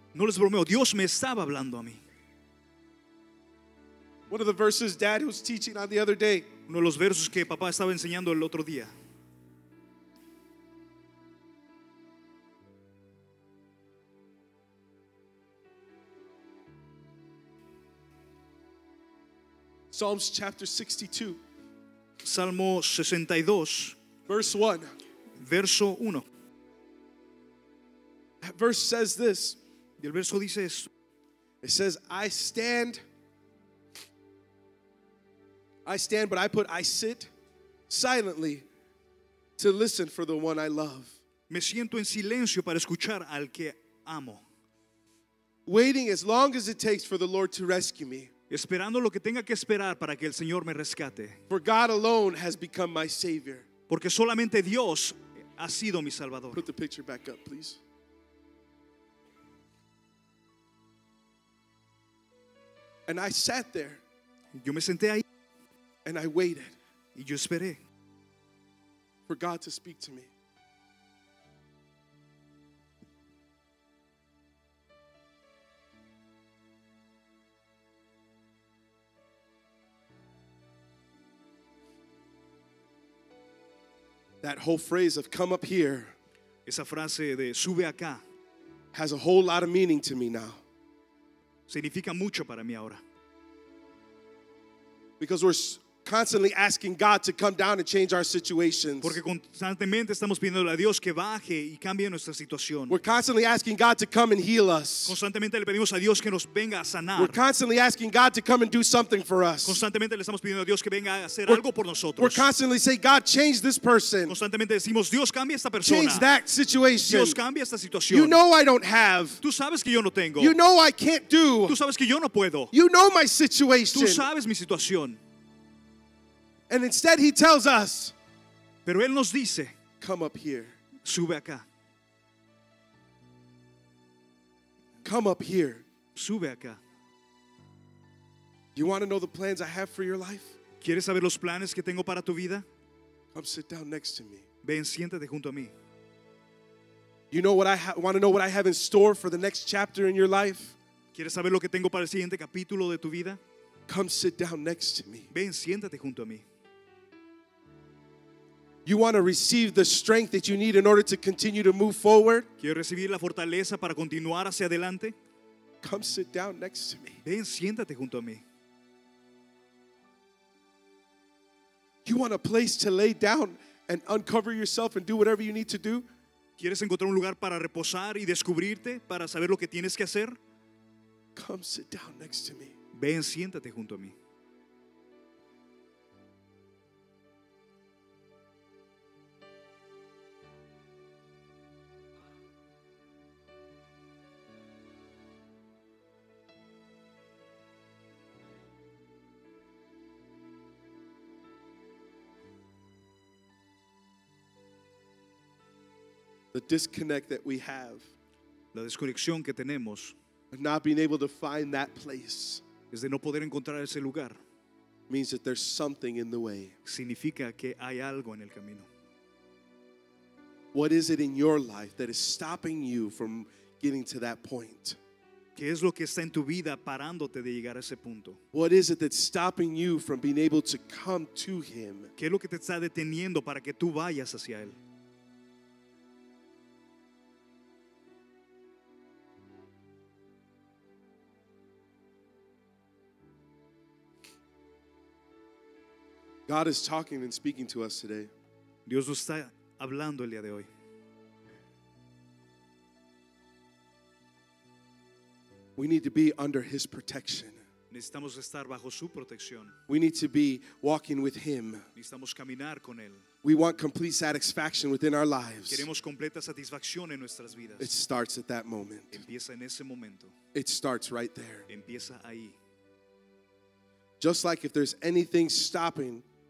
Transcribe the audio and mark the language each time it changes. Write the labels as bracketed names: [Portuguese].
[Spanish] No les bromeo, Dios me estaba hablando a mí. [English] One of the verses Dad was teaching on the other day. [Spanish] Uno de los versos que papá estaba enseñando el otro día. [English] Psalms chapter 62. [Spanish] Salmo 62. [English] Verse 1. [Spanish] Verso 1. [English] That verse says this. [Spanish] Y el verso dice esto. [English] It says, I stand, but I sit silently to listen for the one I love. [Spanish] Me siento en silencio para escuchar al que amo. [English] Waiting as long as it takes for the Lord to rescue me. [Spanish] Esperando lo que tenga que esperar para que el Señor me rescate. [English] For God alone has become my Savior. [Spanish] Porque solamente Dios ha sido mi Salvador. [English] Put the picture back up, please. And I sat there. [Spanish] Yo me senté ahí. [English] And I waited. [Spanish] Y yo esperé. [English] For God to speak to me. That whole phrase of come up here. [Spanish] Esa frase de sube acá. [English] Has a whole lot of meaning to me now. [Spanish] Significa mucho para mí ahora. [English] Because we're constantly asking God to come down and change our situations. [Spanish] Porque constantemente estamos pidiendo a Dios que baje y cambie nuestra situación. [English] We're constantly asking God to come and heal us. [Spanish] Constantemente le pedimos a Dios que nos venga a sanar. [English] We're constantly asking God to come and do something for us. [Spanish] Constantemente le estamos pidiendo a Dios que venga a hacer algo por nosotros. [English] We're constantly saying, God, change this person. [Spanish] Constantemente decimos, Dios, cambia esta persona. [English] Change that situation. [Spanish] Dios, cambia esta situación. [English] You know I don't have. [Spanish] Tú sabes que yo no tengo. [English] You know I can't do. [Spanish] Tú sabes que yo no puedo. [English] You know my situation. [Spanish] Tú sabes mi situación. [English] And instead he tells us, [Spanish] pero él nos dice, [English] come up here. [Spanish] Sube acá. [English] Come up here. [Spanish] Sube acá. [English] You want to know the plans I have for your life? [Spanish] ¿Quieres saber los planes que tengo para tu vida? [English] Come sit down next to me. [Spanish] Ven, siéntate junto a mí. [English] You know what want to know what I have in store for the next chapter in your life? [Spanish] ¿Quieres saber lo que tengo para el siguiente capítulo de tu vida? [English] Come sit down next to me. [Spanish] Ven, siéntate junto a mí. [English] You want to receive the strength that you need in order to continue to move forward? [Spanish] ¿Quieres recibir la fortaleza para continuar hacia adelante? [English] Come sit down next to me. [Spanish] Ven, siéntate junto a mí. [English] You want a place to lay down and uncover yourself and do whatever you need to do? [Spanish] ¿Quieres encontrar un lugar para reposar y descubrirte para saber lo que tienes que hacer? [English] Come sit down next to me. [Spanish] Ven, siéntate junto a mí. [English] the disconnect that we have, [Spanish] la desconexión que tenemos, [English] of not being able to find that place, [Spanish] es de no poder encontrar ese lugar, [English] means that there's something in the way. [Spanish] Significa que hay algo en el camino. [English] What is it in your life that is stopping you from getting to that point? [Spanish] ¿Qué es lo que está en tu vida parándote de llegar a ese punto? [English] What is it that's stopping you from being able to come to him? [Spanish] ¿Qué es lo que te está deteniendo para que tú vayas hacia él? [English] God is talking and speaking to us today. [Spanish] Dios nos está hablando el día de hoy. [English] We need to be under his protection. [Spanish] Necesitamos estar bajo su protección. [English] We need to be walking with him. [Spanish] Necesitamos caminar con él. [English] We want complete satisfaction within our lives. [Spanish] Queremos completa satisfacción en nuestras vidas. [English] It starts at that moment. [Spanish] Empieza en ese momento. [English] It starts right there. [Spanish] Empieza ahí. [English] Just like if there's anything stopping.